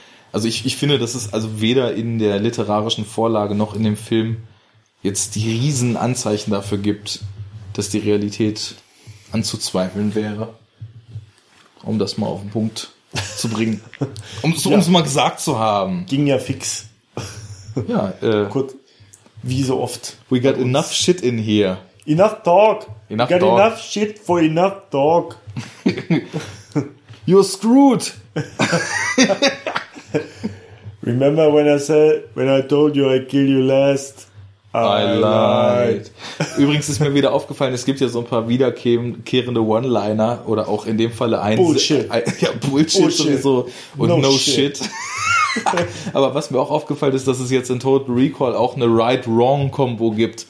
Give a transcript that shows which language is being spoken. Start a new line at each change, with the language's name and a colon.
German: Also ich finde, das ist also weder in der literarischen Vorlage noch in dem Film jetzt die riesen Anzeichen dafür gibt, dass die Realität anzuzweifeln wäre. Um das mal auf den Punkt zu bringen. Um es mal gesagt zu haben. Ging ja fix. Ja, kurz. Wie so oft.
English: We got enough shit in here. Enough talk. Enough talk. We got enough shit for enough talk. You're screwed. Remember when I told you I'd kill you last? I lied.
German: Übrigens ist mir wieder aufgefallen, es gibt ja so ein paar wiederkehrende One-Liner oder auch in dem Falle Bullshit sowieso und
English: no shit.
German: Aber was mir auch aufgefallen ist, dass es jetzt in Total Recall auch eine Right-Wrong-Kombo gibt.